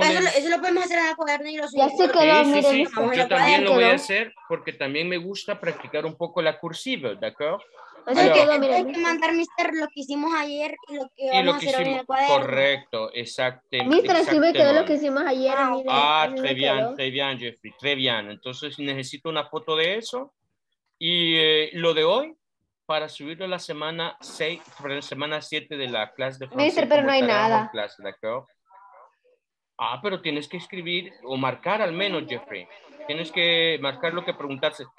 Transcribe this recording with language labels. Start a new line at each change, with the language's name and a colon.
Spanish: pues eso lo podemos hacer en el cuaderno y lo subimos. Ya sé que sí, sí, sí. Yo también lo voy a hacer porque también me gusta practicar un poco la cursiva, ¿de acuerdo? Pues hay que mandar, mister, lo que hicimos ayer y lo que vamos a hacer hoy en el cuaderno. Correcto, exactamente. Mister, sí me quedó lo que hicimos ayer.
French: Ah, ah, très bien, Jeffrey, très bien.
Spanish: Entonces necesito una foto de eso. Y lo de hoy, para subirlo la semana 6, semana 7 de la clase de francés. Mister, pero no hay nada. Clase, ¿de acuerdo? Ah, pero tienes que escribir o marcar al menos, Jeffrey. Tienes que marcar lo que preguntaste.